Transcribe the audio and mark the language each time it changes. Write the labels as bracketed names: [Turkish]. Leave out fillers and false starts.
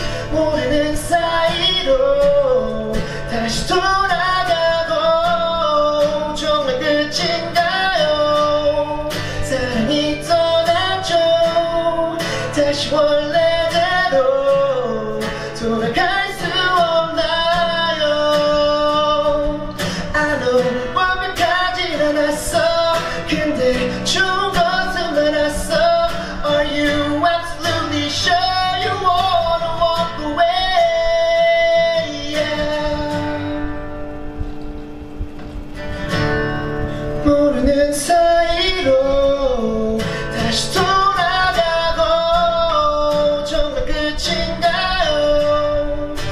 [Korean] 모르는 사이로 다시 돌아가도 정말 끝인가요? 사랑이 떠났죠. 다시 원래대로 돌아갈 수 없나요? [English] I know [Korean] 완벽하진 않았어. 근데 좋은 것은 많았어. [English] Are you absolutely sure you wanna walk away? Yeah. [Korean] 모르는 사이로 다시 돌아가고 정말 끝인가요?